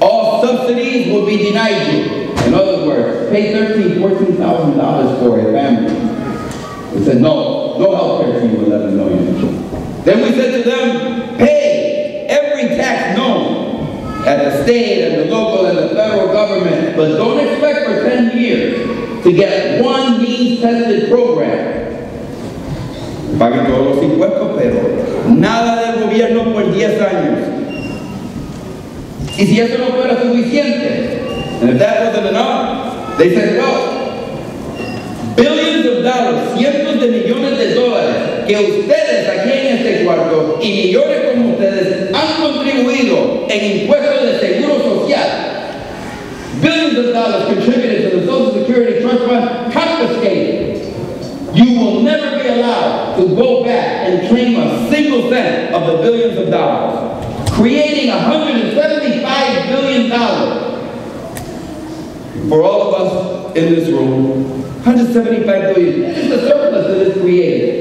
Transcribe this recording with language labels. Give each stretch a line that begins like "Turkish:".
English: All subsidies will be denied you. In other words, pay $13,000, $14,000 for a family. We said, no health care for you, 11 million. Then we said to them, pay every tax known at the state and the local and the federal government, but don't expect for 10 years to get one means-tested program.
Spanish: Paguen todos los impuestos, pero nada del gobierno por 10 años. Y si eso no fuera suficiente,
English: and if that wasn't enough, they said, well, billions of dollars,
Spanish: cientos de millones de dólares, que ustedes aquí en este cuarto y millones como ustedes han contribuido en impuestos de seguro social,
English: billions of dollars contributed to the Social Security Trust Fund, confiscated. You will never be allowed to go back and claim a single cent of the billions of dollars, creating $175 billion for all of us in this room, $175 billion. That is the surplus that is created.